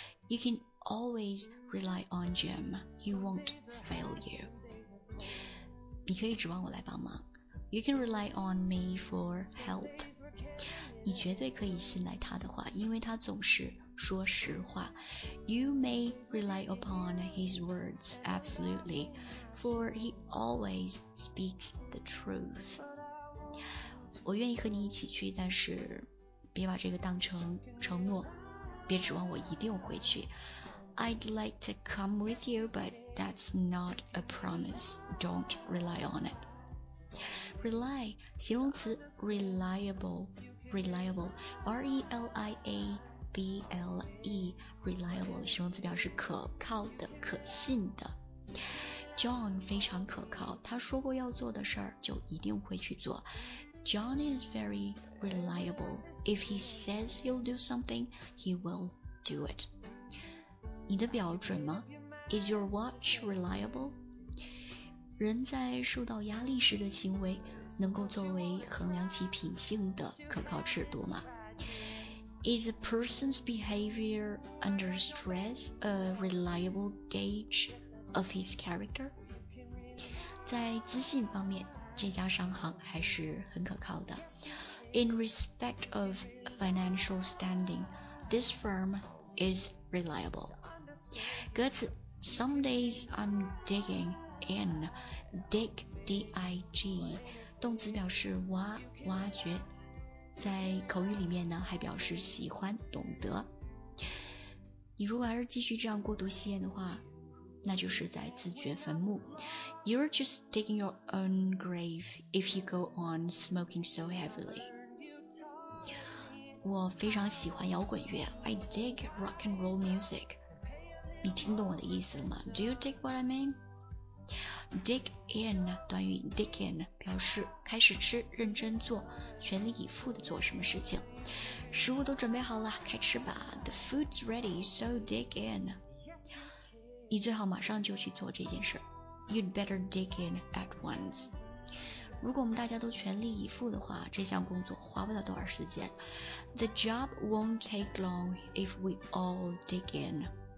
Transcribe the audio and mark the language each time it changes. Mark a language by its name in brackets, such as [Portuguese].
[English] You can always rely on Jim. He won't fail you. [Chinese] 你可以指望我来帮忙。 [English] You can rely on me for help. [Chinese] 你绝对可以信赖他的话，因为他总是说实话。 [English] You may rely upon his words absolutely, for he always speaks the truth. [Chinese] 我愿意和你一起去，但是别把这个当成承诺，别指望我一定回去。 [English] I'd like to come with you, butThat's not a promise. Don't rely on it. Rely, [Chinese] 形容词 reliable, R-E-L-I-A-B-L-E, reliable, 形容词表示可靠的、可信的。 [English] John [Chinese] 非常可靠，他说过要做的事儿就一定会去做。 [English] John is very reliable. If he says he'll do something, he will do it. [Chinese] 你的表准吗？ [English] Is your watch reliable? [Chinese] 人在受到压力时的行为能够作为衡量其品性的可靠尺度吗？ [English] Is a person's behavior under stress a reliable gauge of his character? [Chinese] 在自信方面，这家商行还是很可靠的。 [English] In respect of financial standing, this firm is reliable. [Chinese] 歌词 [English] Some days I'm digging in, dig, D-I-G, [Chinese] 动词表示挖、挖掘，在口语里面呢，还表示喜欢、懂得。你如果还是继续这样过度吸烟的话，那就是在自掘坟墓。 [English] You're just digging your own grave if you go on smoking so heavily. [Chinese] 我非常喜欢摇滚乐 , [English] I dig rock and roll music. [Chinese] 你听懂我的意思了吗 ? [English] Do you dig what I mean? Dig in, 短语 dig in, [Chinese] 表示开始吃、认真做、全力以赴地做什么事情。食物都准备好了，开吃吧。 [English] The food's ready, so dig in. [Chinese] 你最好马上就去做这件事。 [English] You'd better dig in at once. [Chinese] 如果我们大家都全力以赴的话，这项工作花不了多少时间。 [English] The job won't take long if we all dig in.